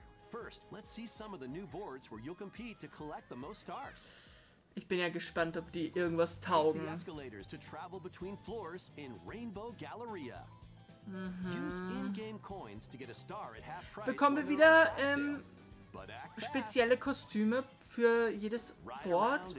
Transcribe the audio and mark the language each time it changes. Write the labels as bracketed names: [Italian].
[English] First, let's see some of the new boards where you'll compete to collect the most stars. [German] Ich bin ja gespannt, ob die irgendwas taugen. [English] Take the escalators to travel between floors in Rainbow Galleria. Mhm. Use in-game coins to get a star at half price. [German] Bekommen wir wieder spezielle Kostüme für jedes Board?